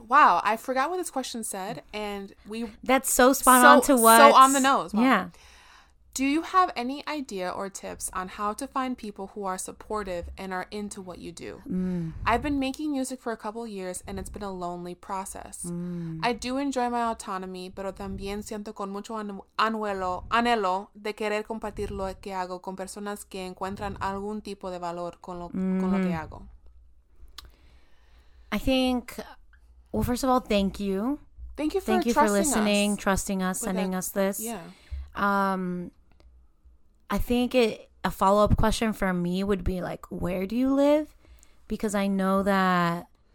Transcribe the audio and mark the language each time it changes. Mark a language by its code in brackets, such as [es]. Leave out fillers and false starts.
[en] Wow, I forgot what this question said. That's so spot on to what... So on the nose. Wow. Yeah. Do you have any idea or tips on how to find people who are supportive and are into what you do? I've been making music for a couple years and it's been a lonely process. I do enjoy my autonomy, [es] pero también siento con mucho anhelo de querer compartir lo que hago con personas que encuentran algún tipo de valor con lo que hago. [en] I think, well, first of all, thank you. Thank you for listening, trusting us, sending us this. Yeah. I think a follow-up question for me would be, like, where do you live? Because I know that...